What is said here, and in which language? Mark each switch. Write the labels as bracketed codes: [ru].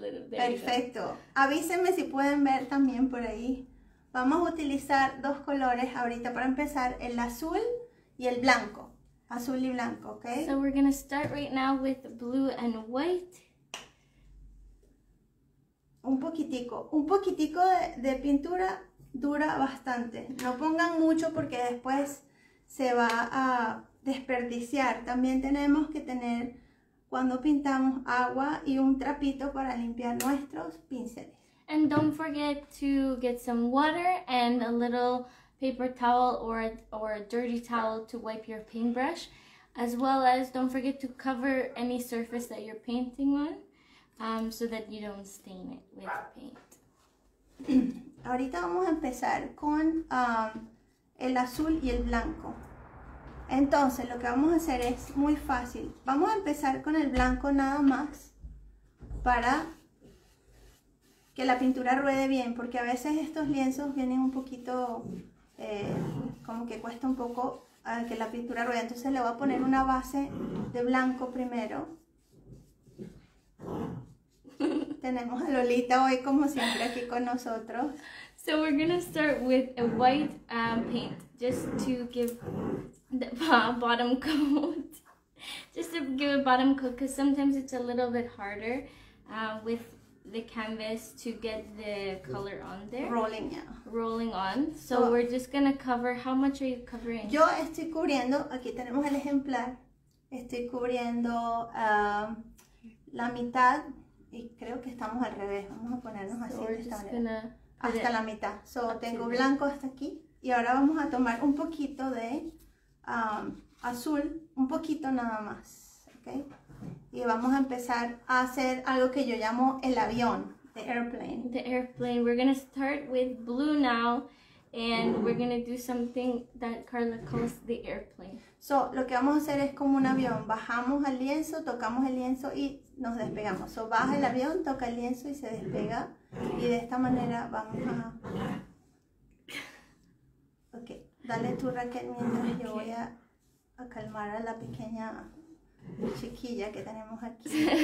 [es] Perfecto. Avísenme si pueden ver también por ahí. Vamos a utilizar dos colores ahorita para empezar, el azul y el blanco. Azul y blanco, ok. [en] So we're going to start right now with blue and white. [es] Un poquitico de pintura dura bastante. No pongan mucho porque después se va a desperdiciar. También tenemos que tener, cuando pintamos, agua y un trapito para limpiar nuestros pinceles. [en] And don't forget to get some water and a little paper towel or a dirty towel to wipe your paintbrush. As well as don't forget to cover any surface that you're painting on. So that you don't stain it with paint. [es] Ahorita vamos a empezar con el azul y el blanco. Entonces, lo que vamos a hacer es muy fácil. Vamos a empezar con el blanco nada más para que la pintura ruede bien, porque a veces estos lienzos vienen un poquito, como que cuesta un poco que la pintura ruede. Entonces le voy a poner una base de blanco primero. Tenemos a Lolita hoy como siempre aquí con nosotros. [en] So we're gonna start with a white paint, just to give the bottom coat, just to give a bottom coat, because sometimes it's a little bit harder with the canvas to get the color on there. Rolling, yeah. Rolling on. So we're just gonna cover. How much are you covering? [es] Yo estoy cubriendo. Aquí tenemos el ejemplar. Estoy cubriendo la mitad, y creo que estamos al revés. Vamos a ponernos [en] so [es] así. [en] We're just gonna [es] hasta la mitad. So tengo blanco hasta aquí. Y ahora vamos a tomar un poquito de azul, un poquito nada más. Okay? Y vamos a empezar a hacer algo que yo llamo el avión, [en] the airplane. The airplane. We're going to start with blue now. And we're going to do something that Carla calls the airplane. [es] So lo que vamos a hacer es como un avión. Bajamos al lienzo, tocamos el lienzo y nos despegamos. So baja el avión, toca el lienzo y se despega. Y de esta manera vamos a... Ok, dale tú, Raquel, mientras yo voy a calmar a la pequeña chiquilla que tenemos aquí.